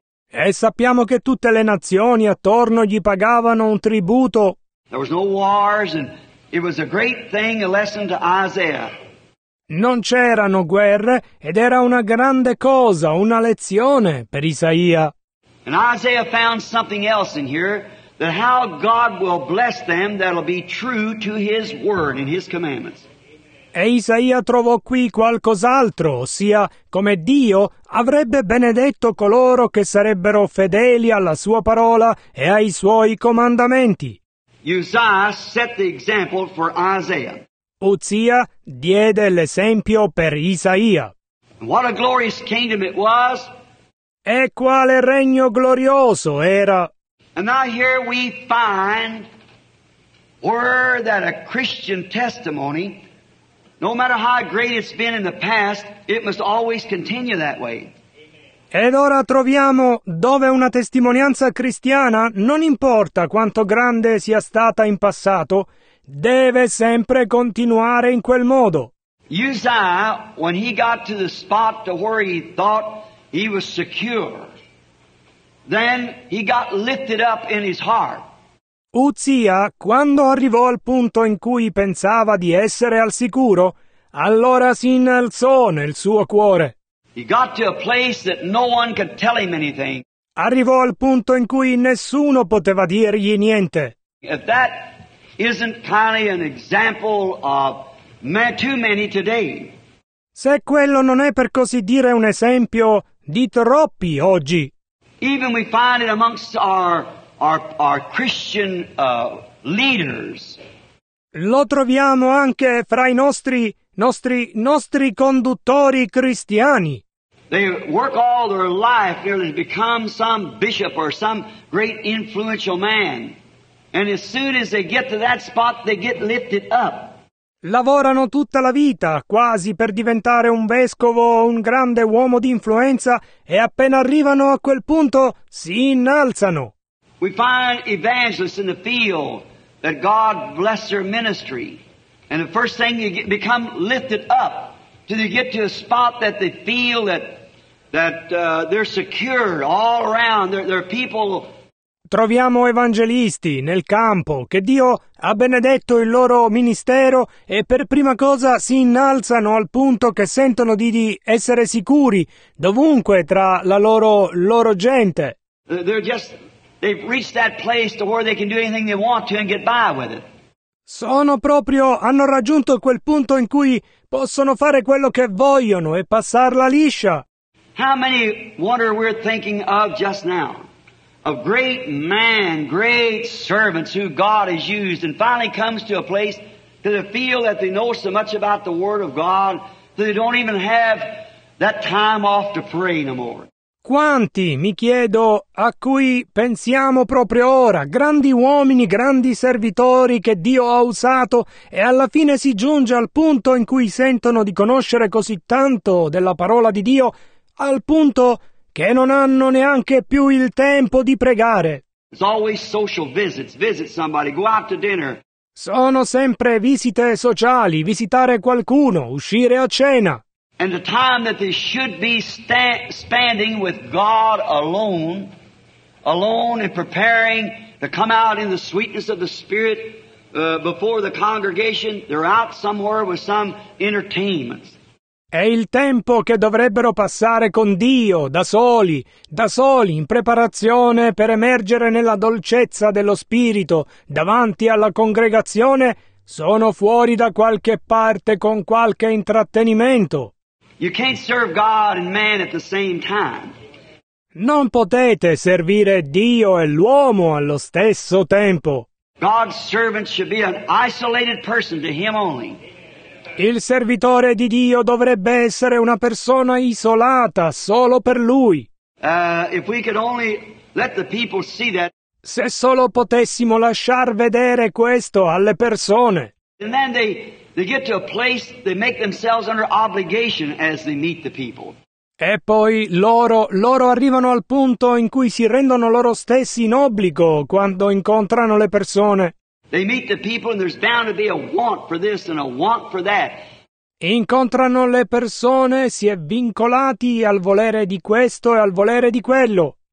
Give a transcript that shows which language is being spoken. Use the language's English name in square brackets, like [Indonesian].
[Italian] E sappiamo che tutte le nazioni attorno gli pagavano un tributo. [English] There was no wars, and it was a great thing, a lesson to Isaiah. [Italian] Non c'erano guerre, ed era una grande cosa, una lezione per Isaia. [English] And Isaiah found something else in here, that how God will bless them that'll be true to his word and his commandments. [Italian] E Isaia trovò qui qualcos'altro, ossia come Dio avrebbe benedetto coloro che sarebbero fedeli alla sua parola e ai suoi comandamenti. [English] Uzziah set the example for Isaiah. [Italian] Uzia diede l'esempio per Isaia. [English] What a glorious kingdom it was! [Italian] E quale regno glorioso era! [English] And now here we find where that a Christian testimony, no matter how great it's been in the past, it must always continue that way. [Italian] Ed ora troviamo dove una testimonianza cristiana, non importa quanto grande sia stata in passato, deve sempre continuare in quel modo. [English] Uzziah, when he got to the spot to where he thought he was secure, then he got lifted up in his heart. [Italian] Uzziah, quando arrivò al punto in cui pensava di essere al sicuro, allora si innalzò nel suo cuore. [English] He got to a place that no one could tell him anything. [Italian] Arrivò al punto in cui nessuno poteva dirgli niente. [English] If that isn't kind of an example of too many today. [Italian] Se quello non è per così dire un esempio di troppi oggi. [English] Even we find it amongst our Christian leaders. [Italian] Lo troviamo anche fra i nostri conduttori cristiani. [English] They work all their life nearly to become some bishop or some great influential man And as soon as they get to that spot, they get lifted up. [Italian] Lavorano tutta la vita, quasi per diventare un vescovo o un grande uomo di influenza, e appena arrivano a quel punto, si innalzano. [English] We find evangelists in the field that God bless their ministry. And the first thing, you get, become lifted up till you get to a spot that they feel that they're secure all around. There are people. [Italian] Troviamo evangelisti nel campo che Dio ha benedetto il loro ministero e per prima cosa si innalzano al punto che sentono di essere sicuri dovunque tra la loro gente. [English] They've reached that place to where they can do anything they want to and get by with it. [Italian] Hanno raggiunto quel punto in cui possono fare quello che vogliono e passarla liscia. [English] How many wonder we're thinking of just now? Of great men, great servants who God has used and finally comes to a place to the feel that they know so much about the Word of God that they don't even have that time off to pray no more. [Italian] Quanti, mi chiedo, a cui pensiamo proprio ora, grandi uomini, grandi servitori che Dio ha usato e alla fine si giunge al punto in cui sentono di conoscere così tanto della parola di Dio, al punto che non hanno neanche più il tempo di pregare. [English] It's always social visits, visit somebody, go out to dinner. [Italian] Sono sempre visite sociali, visitare qualcuno, uscire a cena. [English] And the time that they should be spending with God alone and preparing to come out in the sweetness of the Spirit before the congregation, they're out somewhere with some entertainments. [Italian] È il tempo che dovrebbero passare con Dio, da soli, in preparazione per emergere nella dolcezza dello Spirito, davanti alla congregazione, sono fuori da qualche parte con qualche intrattenimento. [English] You can't serve God and man at the same time. [Italian] Non potete servire Dio e l'uomo allo stesso tempo. [English] God's servant should be an isolated person to Him only. [Italian] Il servitore di Dio dovrebbe essere una persona isolata solo per Lui. [English] If we could only let the people see that. [Italian] Se solo potessimo lasciar vedere questo alle persone. [English] And then they get to a place, they make themselves under obligation as they meet the people. [Italian] E poi loro arrivano al punto in cui si rendono loro stessi in obbligo quando incontrano le persone. [English] They meet the people and there's bound to be a want for this and a want for that. [Italian] Incontrano le persone, si è vincolati al volere di questo e al volere di quello.